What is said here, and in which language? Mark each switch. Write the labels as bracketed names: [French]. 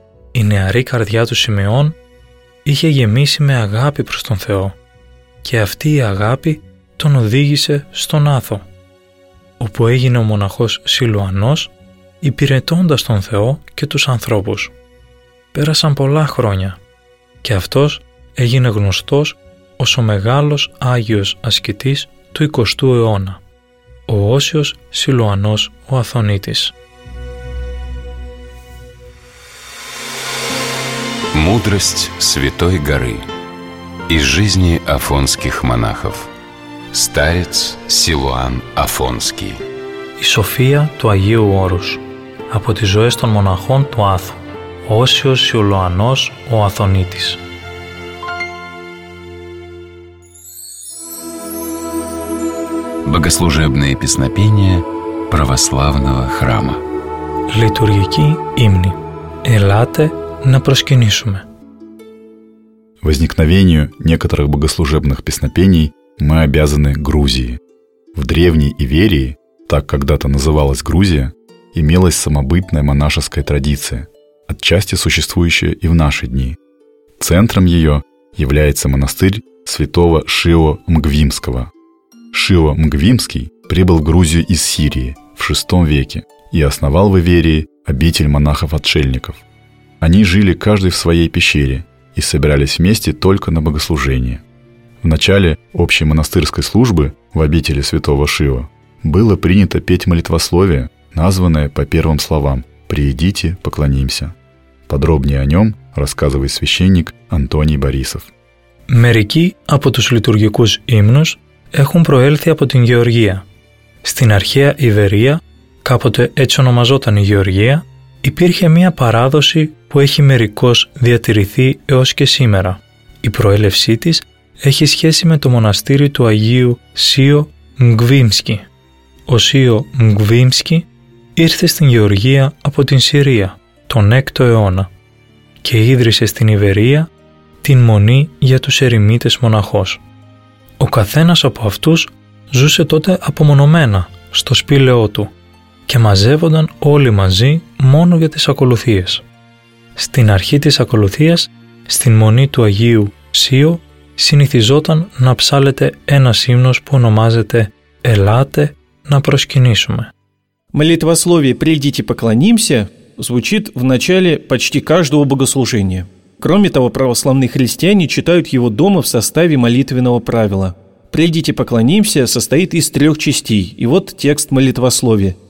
[Greek] Η νεαρή καρδιά του Σιμεών είχε γεμίσει με αγάπη προς τον Θεό και αυτή η αγάπη τον οδήγησε στον Άθο, όπου έγινε ο μοναχός Σιλουανός, υπηρετώντας τον Θεό και τους ανθρώπους. Πέρασαν πολλά χρόνια και αυτός έγινε γνωστός ως ο μεγάλος Άγιος Ασκητής του 20ου αιώνα, ο Όσιος Σιλουανός ο Αθωνίτης. [Russian] Мудрость Святой Горы из жизни афонских монахов. Старец Силуан Афонский. [Greek] И София του Αγίου Όρους από τις ζωές των μοναχών του Άθου, Όσιος Σιλουανός ο Αθωνίτης. [Russian] Богослужебные песнопения православного храма. [Greek] Литургική ύμνη. Ελάτε να προσκυνήσουμε. [Russian] Возникновению некоторых богослужебных песнопений мы обязаны Грузии. В Древней Иверии, так когда-то называлась Грузия, имелась самобытная монашеская традиция, отчасти существующая и в наши дни. Центром ее является монастырь святого Шио Мгвимского. Шио Мгвимский прибыл в Грузию из Сирии в VI веке и основал в Иверии обитель монахов-отшельников. Они жили каждый в своей пещере и собирались вместе только на богослужение. В начале общей монастырской службы в обители святого Шио было принято петь молитвословие, названное по первым словам «Приидите, поклонимся». Подробнее о нем рассказывает священник Антоний Борисов. [Greek] Μερικοί από τους λειτουργικούς ύμνους έχουν προέλθει από την Γεωργία. Στην αρχαία Ιβερία, κάποτε έτσι ονομαζόταν η Γεωργία, υπήρχε μία παράδοση που έχει μερικώς διατηρηθεί έως και σήμερα. Η προέλευσή της έχει σχέση με το μοναστήρι του Αγίου Σίο Μγκβίμσκι. Ο Σίο Μγκβίμσκι ήρθε στην Γεωργία από την Συρία τον 6ο αιώνα και ίδρυσε στην Ιβερία την μονή για τους ερημίτες μοναχός. Ο καθένας από αυτούς ζούσε τότε απομονωμένα στο σπήλαιό του και μαζεύονταν όλοι μαζί μόνο για τις ακολουθίες. Στην αρχή της ακολουθίας, στην μονή του Αγίου Σίο, συνηθιζόταν να ψάλλεται ένας ύμνος που ονομάζεται «Ελάτε να προσκυνήσουμε». [Russian] Молитвословие «Придите, поклонимся» звучит в начале почти каждого богослужения. Кроме того, православные христиане читают его дома в составе молитвенного правила. «Придите, поклонимся» состоит из трех частей, и вот текст молитвословия.